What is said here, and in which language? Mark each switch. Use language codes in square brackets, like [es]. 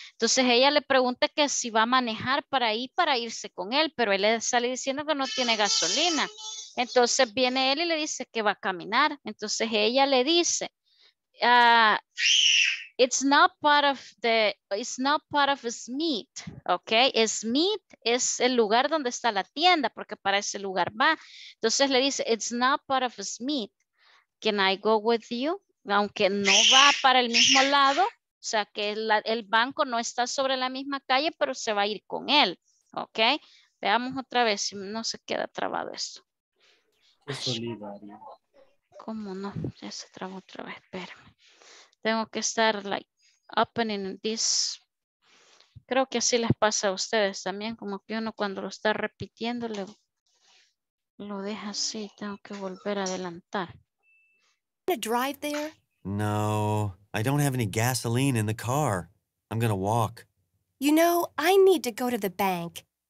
[es] Entonces ella le pregunta que si va a manejar para irse con él, pero él le sale diciendo que no tiene gasolina. Entonces viene él y le dice que va a caminar. Entonces ella le dice, [en] it's not part of Smith. [es] Okay. Smith es el lugar donde está la tienda, porque para ese lugar va. Entonces le dice, [en] it's not part of Smith. Can I go with you? [es] Aunque no va para el mismo lado. O sea, que el banco no está sobre la misma calle, pero se va a ir con él, ¿ok? Veamos otra vez si no se queda trabado esto. ¿Cómo no? Ya se trabó otra vez, espérame. Tengo que estar, [en] like, opening this. [es] Creo que así les pasa a ustedes también, como que uno cuando lo está repitiendo lo deja así. Tengo que volver a adelantar. [en] ¿Drive there? No, I don't have any gasoline in the car. I'm gonna walk. You know, I need to go to the bank.